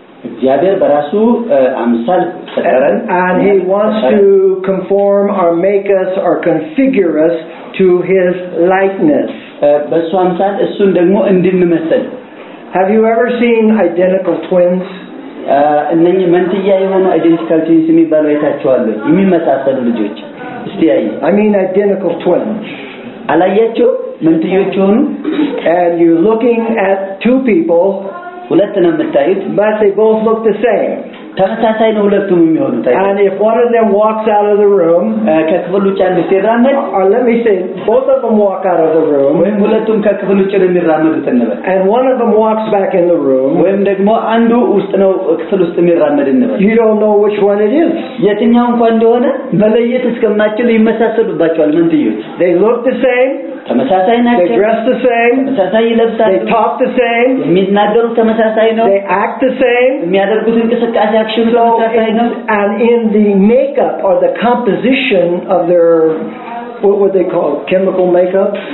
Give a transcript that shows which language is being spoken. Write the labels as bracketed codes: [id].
[am] እግዚአብሔር በራሱ አምሳል ፈጠረን. [en] And he wants to conform or make us or configure us to his likeness. [am] በሱ አምሳል እሱ ደግሞ እንድንመስል. [en] Have you ever seen identical twins? [am] እነኚህ መንትያ የሆኑ [en] identical twins [am] የሚባሉ አይታችኋል? የሚመሳሰሉ ልጆች. እስቲ አይ [en] I mean identical twins. [am] አላያችሁ መንትዮች ሆኑ? [en] And you're looking at two people. [am] ሁለቱን የምታዩት [en] but they both look the same. [am] ተመሳሳይ ነው ሁለቱም የሚሆኑት አይደል? [en] And if one of them walks out of the room, [am] ከክፍሉ ውጭ እንደሚራመድ [en] or let me say both of them walk out of the room, [am] ወይም ሁለቱም ከክፍሉ ውጭ እንደሚራመዱት እንበል. [en] And one of them walks back in the room, [am] ወይም ደግሞ አንዱ ውስጥ ነው ክፍሉ ውስጥ እንደሚራመድ እንበል. [en] You don't know which one it is. [am] የትኛው እንኳን እንደሆነ በለየት እስከማችሉ ይመሳሰሉባቸዋል መንትዮች. [en] They look the same. [am] ተመሳሳይ ናቸው. [en] They dress the same. [am] ተመሳሳይ ይለብሳሉ. [en] They talk the same. [am] የሚናገሩት ተመሳሳይ ነው. [en] They act the same. [am] የሚያደርጉት እንቅስቃሴ አክሽኑ ተመሳሳይ ነው. [en] And in the makeup or the composition of their what would they call chemical makeup?